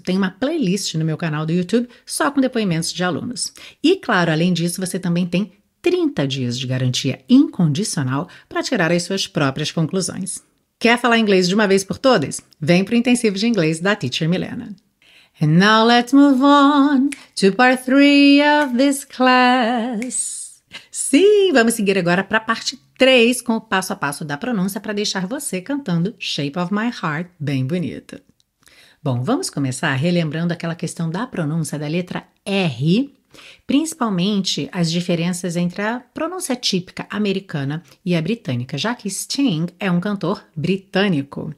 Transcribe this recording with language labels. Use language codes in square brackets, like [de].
[pt] Tem uma playlist no meu canal do YouTube só com depoimentos de alunos. E, claro, além disso, você também tem 30 dias de garantia incondicional para tirar as suas próprias conclusões. Quer falar inglês de uma vez por todas? Vem para o intensivo de inglês da Teacher Milena. [en] And now let's move on to part 3 of this class. [pt] Sim, vamos seguir agora para a parte 3 com o passo a passo da pronúncia para deixar você cantando Shape of My Heart bem bonito. Bom, vamos começar relembrando aquela questão da pronúncia da letra R, principalmente as diferenças entre a pronúncia típica americana e a britânica, já que Sting é um cantor britânico.